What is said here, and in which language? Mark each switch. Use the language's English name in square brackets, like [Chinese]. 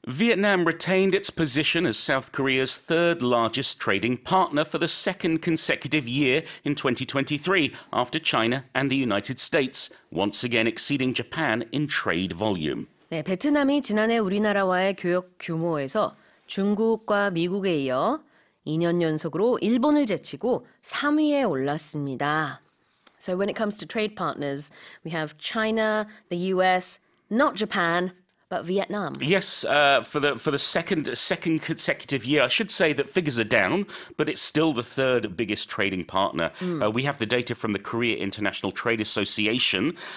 [English] Vietnam retained its position as South Korea's third largest trading partner for the second consecutive year in 2023, after China and the United States, once again exceeding Japan in trade volume. [Korean] 네, 베트남이 지난해 우리나라와의 교역 규모에서 중국과 미국에 이어 2년 연속으로 일본을 제치고 3위에 올랐습니다. [English] So when it comes to trade partners, we have China, the US, not Japan, but Vietnam. Yes, for the second consecutive year. I should say that figures are down, but it's still the third biggest trading partner. Mm. We have the data from the Korea International Trade Association.